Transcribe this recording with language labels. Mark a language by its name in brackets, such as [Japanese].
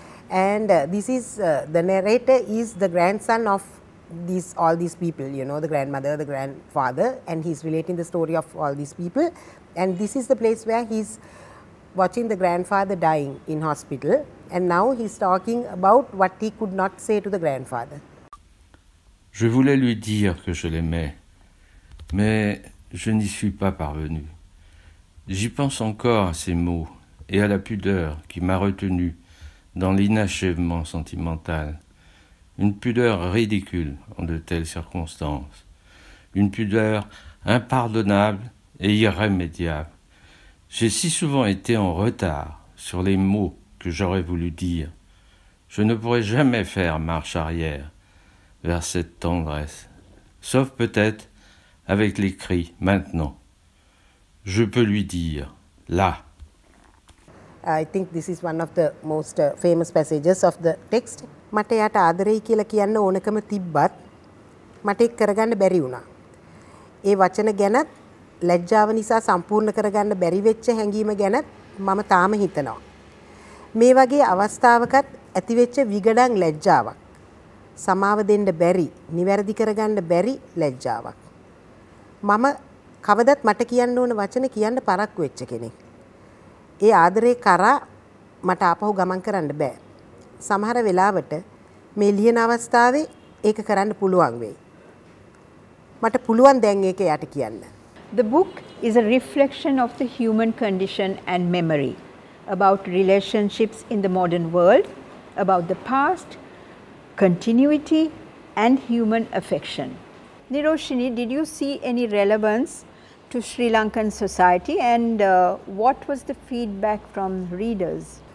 [English] And this is, the narrator is the grandson of these, all these people, you know, the grandmother, the grandfather, and he's relating the story of all these people. And this is the place where he's watching the grandfather dying in hospital. And now he's talking about what he could not say to the grandfather. [French] Je voulais lui dire que je l'aimais, mais je n'y suis pas parvenu. J'y pense encore à ces mots et à la pudeur qui m'a retenu dans l'inachèvement sentimental. Une pudeur ridicule en de telles circonstances. Une pudeur impardonnable et irrémédiable. J'ai si souvent été en retard sur les mots que j'aurais voulu dire. Je ne pourrais jamais faire marche arrière vers cette tendresse, sauf peut-être avec les cris maintenant. Je peux lui dire, là. [English] I think this is one of the most famous passages of the text. [Sinhala] Matayata adarei kila kiyanna onakama tibbat matek karaganna beri una. E vachana ganat ලැජ්ජාව නිසා සම්පූර්ණ කරගන්න බැරි වෙච්ච හැඟීම ගැන මම තාම හිතනවා. මේ වගේ අවස්ථාවකත් ඇති වෙච්ච විගඩන් ලැජ්ජාවක්. සමාව දෙන්න බැරි, නිවැරදි කරගන්න බැරි ලැජ්ජාවක්. මම කවදත් මට කියන්න ඕන වචන කියන්න පරක්කු වෙච්ච කෙනෙක්. ඒ ආදරේ කරා මට ආපහු ගමන් කරන්න බෑ. සමහර වෙලාවට මේ ලියන අවස්ථාවේ ඒක කරන්න පුළුවන් වෙයි. මට පුළුවන් දැන් ඒක යට කියන්න. [English] The book is a reflection of the human condition and memory about relationships in the modern world, about the past, continuity and human affection. Niroshini, did you see any relevance to Sri Lankan society, and what was the feedback from readers?